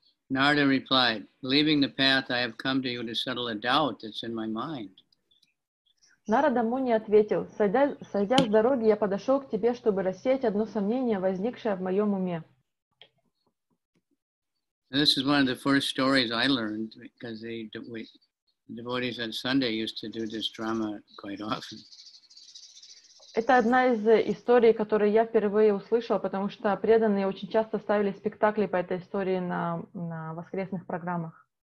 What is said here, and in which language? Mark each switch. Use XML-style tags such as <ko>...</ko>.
<en>Narada replied, leaving the path, I have come to you to settle a doubt that's in my mind.</en> <ru>Narada Muni ответил, сойдя с дороги, я подошел к тебе, чтобы рассеять одно сомнение, возникшее в моем уме.</ru> <en>This is one of the first stories I learned, because the devotees on Sunday used to do this drama quite often.</en> <ru>Это одна из историй, которую я впервые услышала, потому что преданные очень часто ставили спектакли по этой истории на воскресных программах.</ru>